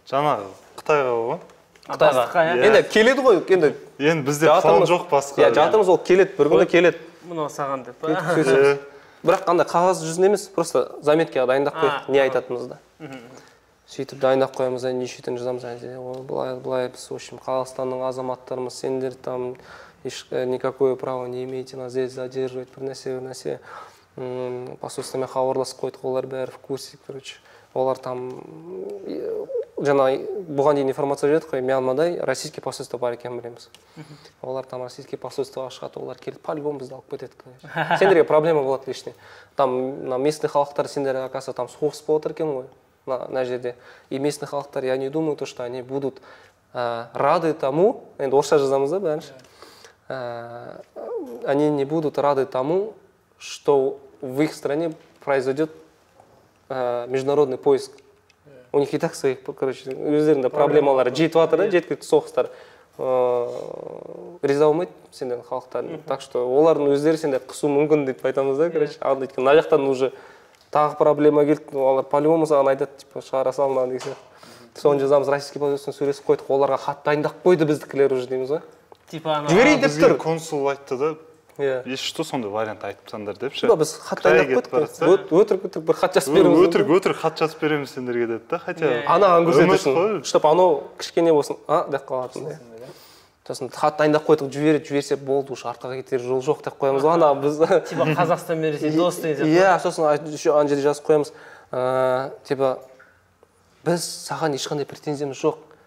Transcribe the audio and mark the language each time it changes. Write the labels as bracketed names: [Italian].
[Kazakh] Жаңа Қытайға ғой. Қытайға. Енді келеді ғой, енді. Енді бізде фон жоқ басқа. Иә, жатырмыз, ол келеді, бір күні келеді. Мына саған деп. Бірақ қандай қағаз жүзінде емес, просто заметкеге дайындап қойдық, не айтатынымызды. Сөйтіп дайындап қоямыз, неше түн жазамыз әлде. Былай біз, [Russian] в общем, [Kazakh] Қазақстанның азаматтарымыз, сендер [Russian] там никакое право не имеете нас здесь задерживать, [Kazakh] бірнәрсе. Посольствомен хабарласып қойдық, олар бәрі [Russian] в курсе, [Kazakh] короче. Олар там жаңа бұған дейін информация жетті ғой, Мьянмада российский посольство бар екенін білеміз. Олар там российский посольствоға шығады, олар келіп по-любому бізді алып кетеді. Сендерге проблема болады лишне. Там мына местный халықтар сендерге оказывается там соғыс болып отыр екен ғой мына жерде. [Russian] И местный [Kazakh] халықтар, [Russian] я не думаю, то, что они будут рады тому, [Kazakh] енді орысша жазамыз да бәрінші. [Russian] Они не будут рады тому, что в их стране произойдет международный поиск. У них и так своих, короче, [Kazakh] өздерінде проблемалар жетіп жатыр, жеткілікті соғыстар. Риза болмайды сендердің халықтарың. Так что олардың өздері сенде қысу мүмкін деп айтамыз да, короче. Ал өйткені мына жақтан уже тағы проблема келді, олар по-любому саған айтады, типа, шығара салма деген сияқты. Соны жазамыз, российский посольствосына сөйлесіп қойдық, оларға хат дайындап қойды біздікілер уже дейміз ғой. Типа, жіберейін деп тұр. Консул айтты да. Иә. Еш что сондай вариант айтып сандар депші. Жоқ, біз хат дайындап қойдық. Өтірік бір хат жазып береміз. Өтірік хат жазып береміз сендерге деді да. [Russian] Хотя [Kazakh] анаған көрсетесің. [Russian] Чтоб оно [Kazakh] кішкене болсын, а, деп қалатын. Сосын хат дайындап қойдық, жіберсе болды, уж артқа кетер жол жоқ деп қоямыз ғой. Ана біз типа Қазақстан мен Ресей досты деп. Иә, сосын еще ана жерде жазып қоямыз. Типа біз саған ешқандай претензиямыз жоқ.